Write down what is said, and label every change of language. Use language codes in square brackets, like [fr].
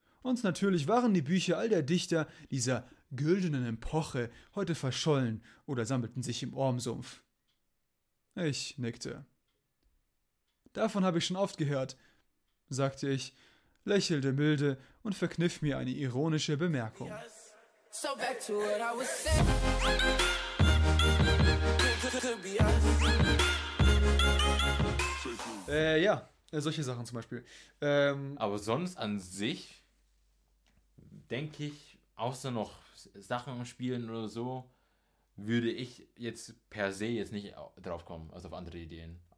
[de] Und natürlich waren die Bücher all der Dichter dieser güldenen Epoche heute verschollen oder sammelten sich im Ormsumpf. Ich nickte. Davon habe ich schon oft gehört, sagte ich, lächelte milde und verkniff mir eine ironische Bemerkung. [en] Yes. So back to what I was saying. [de] Ja, solche Sachen zum Beispiel. Aber sonst an sich, denke ich, außer noch Sachen spielen oder so, würde ich jetzt per se jetzt nicht drauf kommen, also auf andere Ideen.